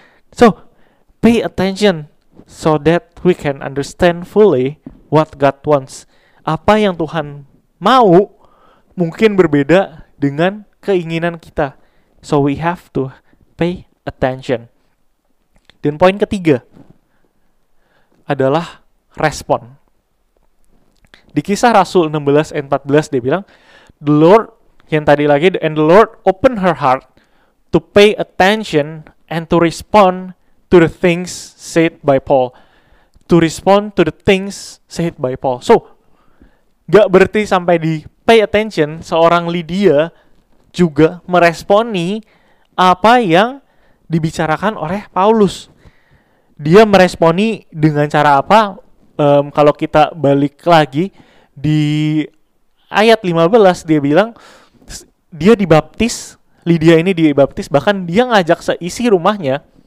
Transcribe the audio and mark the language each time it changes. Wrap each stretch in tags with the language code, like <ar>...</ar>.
<en>So pay attention so that we can understand fully what God wants.</en> <id>Apa yang Tuhan mau mungkin berbeda dengan keinginan kita.</id> <en>So we have to pay attention.</en> <id>Dan poin ketiga adalah respon. Di Kisah Rasul 16 and 14 dia bilang,</id> <en>"The Lord,"</en> <id>yang tadi lagi,</id> <en>"and the Lord opened her heart to pay attention and to respond to the things said by Paul." To respond to the things said by Paul.</en> <id>So, gak berarti sampai di pay attention, seorang Lydia juga meresponi apa yang dibicarakan oleh Paulus. Dia meresponi dengan cara apa? Kalau kita balik lagi di ayat 15, dia bilang dia dibaptis, Lydia ini dibaptis, bahkan dia ngajak seisi rumahnya.</id>